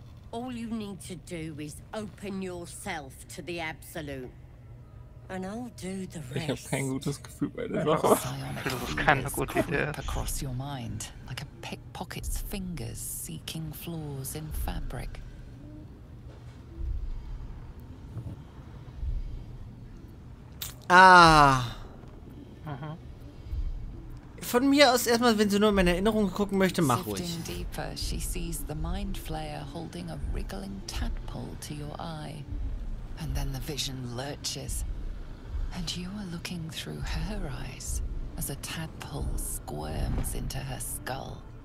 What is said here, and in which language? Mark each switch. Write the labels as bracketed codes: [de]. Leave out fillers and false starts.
[en] All you need to do is open yourself to the Absolute. And I'll do the rest. [de] Ich hab kein gutes Gefühl bei der Sache. Das ist keine gute Idee. [en] Across your mind, like a pickpocket's fingers seeking flaws in fabric. Ah. [de] Von mir aus erstmal, wenn sie nur in meine Erinnerung gucken möchte, mach ruhig. [en] Sifting deeper, she sees the mind flayer holding a wriggling tadpole to your eye. And then the vision lurches. And you are looking through her eyes as a tadpole squirms into her skull.